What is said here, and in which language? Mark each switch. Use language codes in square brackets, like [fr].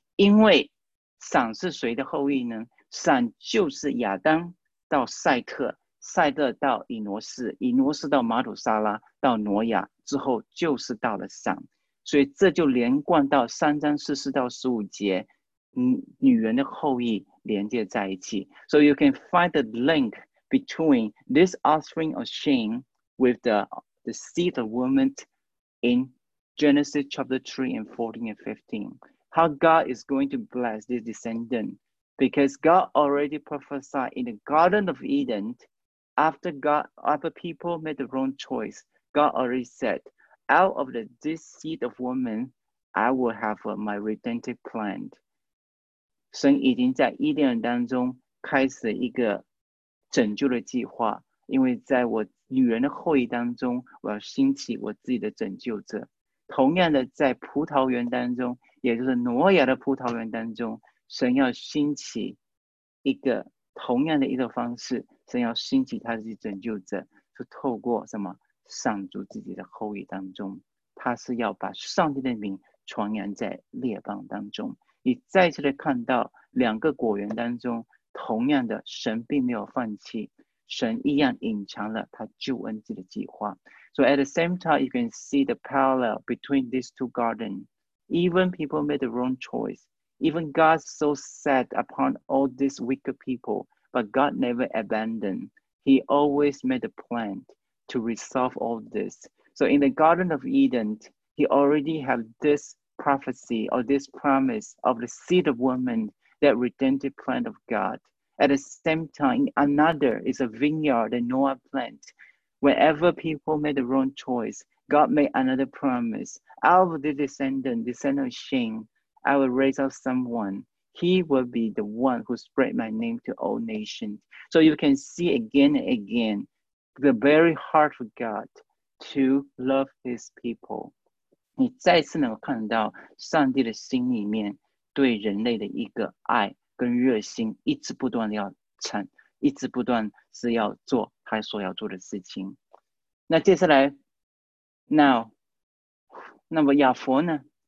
[zh] 因为闪是谁的后裔呢？闪就是亚当到赛特，赛特到以挪士，以挪士到马土沙拉，到挪亚之后就是到了闪。所以这就连贯到三章四十到十五节，女人的后裔连接在一起。 [en] So you can find the link between this offspring of Shem with the seed of woman in Genesis chapter 3 and 14 and 15. How God is going to bless this descendant, because God already prophesied in the Garden of Eden, after God, other people made the wrong choice,God already said, out of this seed of woman, I will have my redemptive plan. [zh] 神已经在伊甸园当中开始一个拯救的计划，因为在我女人的后裔当中，我要兴起我自己的拯救者。同样的，在葡萄园当中，也就是挪亚的葡萄园当中，神要兴起一个同样的一个方式，神要兴起他自己拯救者，是透过什么？上主自己的后裔当中，他是要把上帝的名传扬在列邦当中。你再次的看到两个果园当中，同样的，神并没有放弃，神一样隐藏了他救恩之的计划。 [en] So at the same time you can see the parallel between these two gardens. Even people made the wrong choice, even God so set upon all these wicked people, but God never abandoned. He always made a plan to resolve all this. So in the Garden of Eden, he already had this prophecy or this promise of the seed of woman, that redemptive plan of God. At the same time, another is a vineyard, a Noah plant. Whenever people made the wrong choice, God made another promise. Out of the descendant of Shem, I will raise up someone. He will be the one who spread my name to all nations. So you can see again and again the very heart of God to love his people. [zh] 你再次能够看到上帝的心里面对人类的一个爱跟热心，一直不断的要成，一直不断是要做他所要做的事情。那接下来 ，Now， 那么亚佛呢？